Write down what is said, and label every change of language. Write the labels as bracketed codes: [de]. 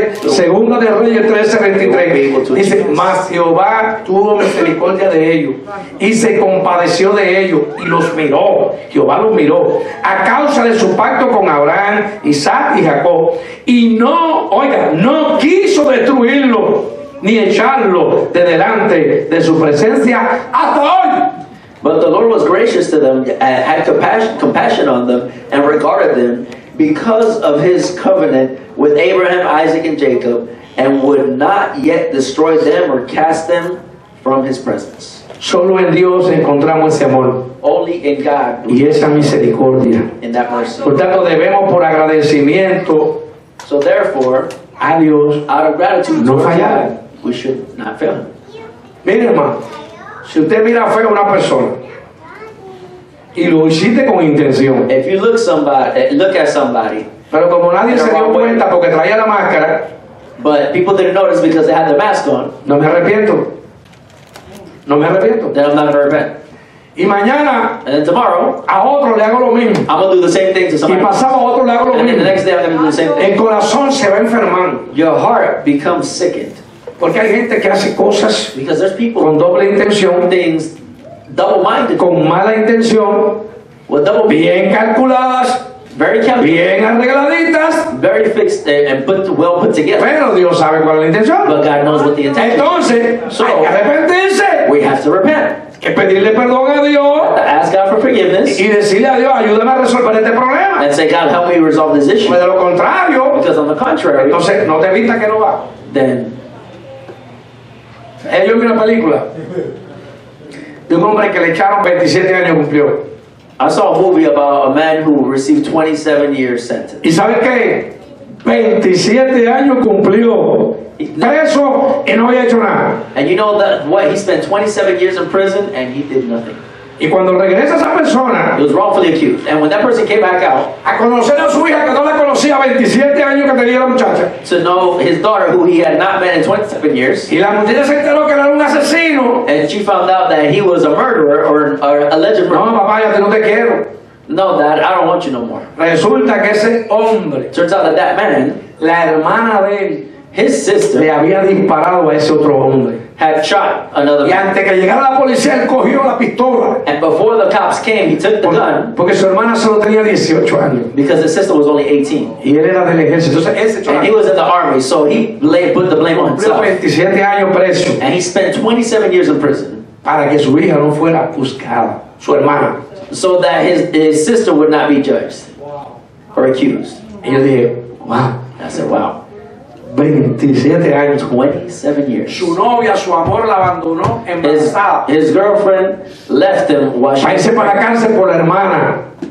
[es] Segunda de Reyes 13:23. Dice, mas Jehová tuvo misericordia de ellos y se compadeció de ellos y los miró. Jehová los miró a causa de su pacto con Abraham, Isaac y Jacob. Y no, oiga, no quiso destruirlo. Ni echarlo de delante de su presencia hasta hoy. [en] But the Lord was gracious to them, and had compassion on them, and regarded them because of his covenant with Abraham, Isaac, and Jacob, and would not yet destroy them or cast them from his presence. [es] Solo en Dios encontramos ese amor. [en] Only in God. [es] Y esa misericordia. [en] In that mercy. [es] Por tanto, debemos por agradecimiento. [en] So therefore. [es] A Dios. [en] Out of gratitude. [es] No fallar. [en] We should not fail. [es] Mire, hermano, si usted mira feo a una persona y lo hiciste con intención. [en] If you look at somebody. [es] Pero como nadie se dio cuenta porque traía la máscara. [en] But people didn't notice because they had the mask on. [es] No me arrepiento. [en] Then I'm not gonna repent. [es] Y mañana, [en] and then tomorrow, [es] a otro le hago lo mismo. [en] I'm gonna do the same thing to somebody. [es] Y pasado a otro le hago lo [en] and [es] mismo. [en] And the next day I'm gonna do the same thing. [es] El corazón se va enfermando. [en] Your heart becomes sickened. [es] Porque hay gente que hace cosas con doble intención, [en] things double-minded, [es] con mala intención, [en] with double [es] bien calculadas, [en] very calculated, [es] bien arregladitas, [en] very fixed and well put together. [es] Pero Dios sabe cuál es la intención. [en] But God knows what the intention. [es] Entonces, [en] so, [es] hay que arrepentirse. [en] We have to repent. [es] Que pedirle perdón a Dios. [en] Ask God for forgiveness. [es] Y decirle a Dios, ayúdame a resolver este problema. [en] And say, God, help me resolve this issue. [es] Pues de lo contrario, [en] because on the contrary, [es] entonces no te evita que no va. [en] Then [es] ellos vi una película de un hombre que le echaron 27 años cumplió. [en] I saw a movie about a man who received 27 years sentence. [es] ¿Y sabes qué? 27 años cumplió. Preso y no había hecho nada. [en] And you know that what, he spent 27 years in prison and he did nothing. [es] Y cuando regresa esa persona, [en] he was wrongfully accused. And when that person came back out, [es] a conocer a su hija que no la conocía 27 años que tenía la muchacha, [en] to know his daughter who he had not met in 27 years, [es] y la muchacha se enteró que era un asesino, [en] and she found out that he was a murderer or an alleged murderer. [es] No, papá, ya te no te quiero. [en] No, Dad, I don't want you no more. [es] Resulta que ese hombre, [en] turns out that that man, [es] la hermana de él, [en] his sister, [es] le había disparado a ese otro hombre. [en] Had shot another man. [es] Y antes que llegara la policía, él cogió la pistola. [en] And before the cops came, he took the gun. [es] Porque su hermana solo tenía 18 años. [en] Because his sister was only 18. [es] Y él era del ejército. Entonces, ese [en] and he was in the army, so he put the blame on himself. [es] 27 años preso. [en] And he spent 27 years in prison. [es] Para que su hija no fuera juzgada, su hermana. [en] So that his sister would not be judged or accused. [es] Y yo dije, wow. [en] I said, wow. [es] 27 años. [en] 27 years. [es] Su novia, su amor, la abandonó embarazada. [en] His girlfriend left him while she was pregnant. [es] Para cárcel por la hermana.